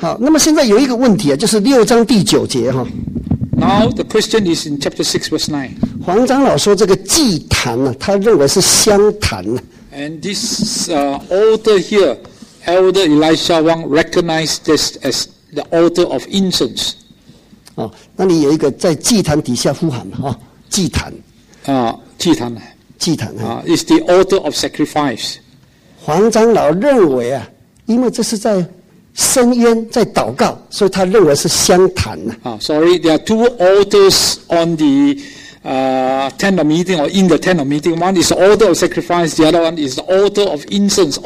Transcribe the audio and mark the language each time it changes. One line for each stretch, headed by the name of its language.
Chinese: 好，那么现在有一个问题啊，就是六章第九节哈。
English: Now the Christian is in chapter 6 verse 9.
Chinese: 黄长老说这个祭坛呢，他认为是香坛。
English: And this altar here, Elder Elisha Wang recognized this as the altar of incense.
Chinese: 哦，那里有一个在祭坛底下呼喊嘛，哈，祭坛。啊，祭坛。祭坛。
English: 啊 ，is the altar of sacrifice.
Chinese: 黄长老认为啊，因为这是在深渊在祷告，所以他认为是香坛。
English: Sorry, there are two altars on the tent of meeting or in the tent of meeting. One is the altar of sacrifice, the other one is the altar of incense.